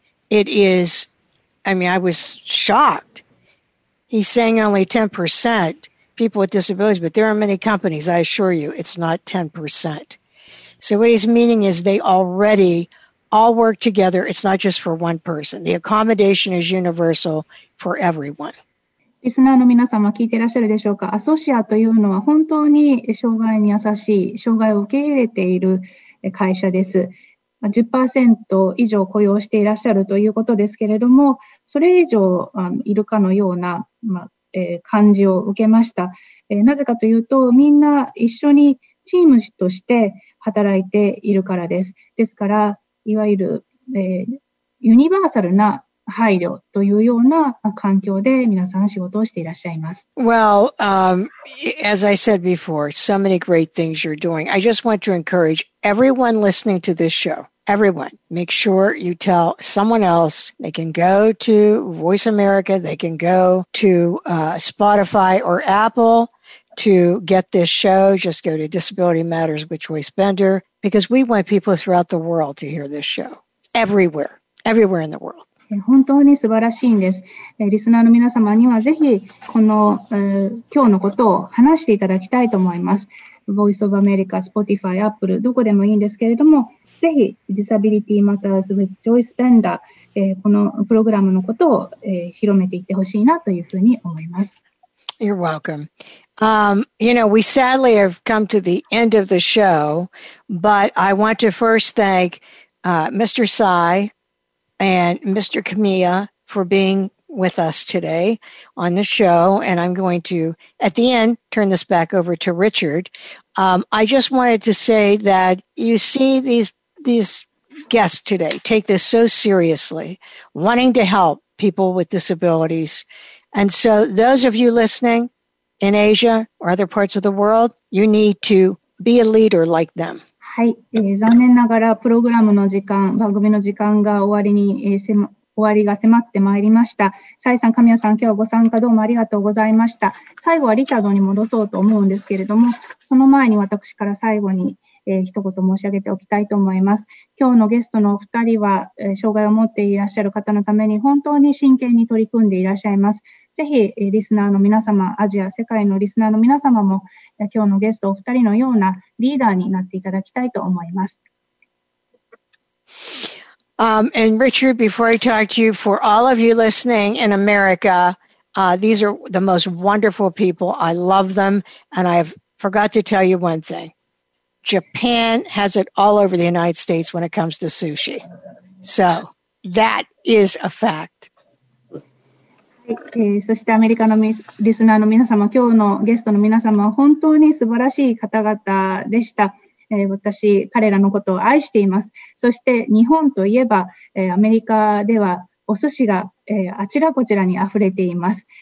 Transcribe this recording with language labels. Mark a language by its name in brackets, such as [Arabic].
[English] It is, I mean, I was shocked. He's saying only 10% people with disabilities, but there are many companies, I assure you, it's not 10%. So what he's meaning is they already all work together. It's not just for one person. The accommodation is universal for everyone. [Japanese] リスナーの皆様聞いていらっしゃるでしょうか。アソシアというのは本当に障害に優しい、障害を受け入れている会社です。 10% 以上雇用していらっしゃるということですけれども、それ以上いるかのような、まあ感じを受けました。なぜかというと、みんな一緒にチームとして働いているからです。ですから、いわゆる、ユニバーサルな配慮というような環境で皆さん仕事をしていらっしゃいます。 [English] Well, as I said before, so many great things you're doing. I just want to encourage everyone listening to this show, everyone, make sure you tell someone else. They can go to Voice America, they can go to Spotify or Apple to get this show. Just go to Disability Matters with Joyce Bender, because we want people throughout the world to hear this show, everywhere, everywhere in the world. [Japanese] 本当に素晴らしいんです。リスナーの皆様にはぜひこの今日のことを話していただきたいと思います。 Voice of America, Spotify, Apple、どこでもいいんですけれども、ぜひ Disability Matters with Joyce Bender、このプログラムのことを、広めていってほしいなというふうに思います。 [English] You're welcome. You know, we sadly have come to the end of the show, but I want to first thank Mr. Sai. And Mr. Kamiya for being with us today on the show. And I'm going to, at the end, turn this back over to Richard. I just wanted to say that you see these guests today take this so seriously, wanting to help people with disabilities. And so those of you listening in Asia or other parts of the world, you need to be a leader like them. [Japanese] はい、残念ながらプログラムの時間、番組の時間が終わりが迫ってまいりました。サイさん、神谷さん、今日はご参加どうもありがとうございました。最後はリチャードに戻そうと思うんですけれども、その前に私から最後に、一言申し上げておきたいと思います。今日のゲストのお二人は、障害を持っていらっしゃる方のために本当に真剣に取り組んでいらっしゃいます。ぜひ、リスナーの皆様、アジア、世界のリスナーの皆様も、今日のゲストお二人のようなリーダーになっていただきたいと思います。 [English] And Richard, before I talk to you, for all of you listening in America, these are the most wonderful people. I love them. And I forgot to tell you one thing. Japan has it all over the United States when it comes to sushi. So that is a fact. [Japanese] そしてアメリカのリスナーの皆様、今日のゲストの皆様は本当に素晴らしい方々でした。私、彼らのことを愛しています。そして日本といえば、アメリカではお寿司が、あちらこちらに溢れています。